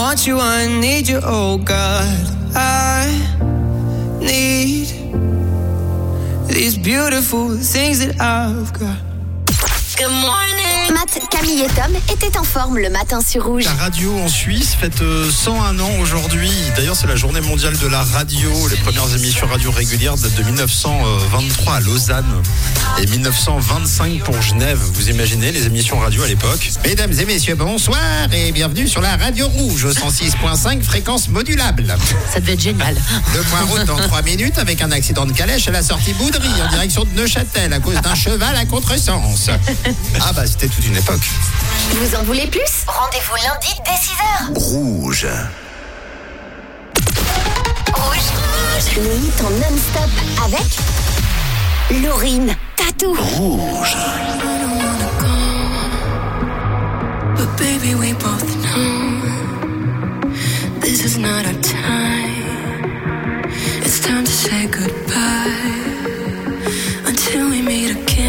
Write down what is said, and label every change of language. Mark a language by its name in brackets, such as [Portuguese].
[English] I need you, oh God. I need you, oh God. I need these beautiful things that I've got. Good morning. [French] Matt, Camille et Tom étaient en forme le matin sur Rouge. La radio en Suisse fête 101 ans aujourd'hui. D'ailleurs, c'est la journée mondiale de la radio. Les premières émissions radio régulières datent de 1923 à Lausanne et 1925 pour Genève. Vous imaginez les émissions radio à l'époque? Mesdames et messieurs, bonsoir et bienvenue sur la Radio Rouge, 106.5, fréquence modulable. Ça devait être génial. Le point route dans 3 minutes avec un accident de calèche à la sortie Boudry en direction de Neuchâtel à cause d'un cheval à contresens. Ah bah, c'était toute une époque. Vous en voulez plus? Rendez-vous lundi dès 6h. Rouge. Rouge. Rouge. Le hit en non-stop avec Laurine Tatou. Rouge. [English] But baby, we both know this is not our time. It's time to say goodbye until we meet again.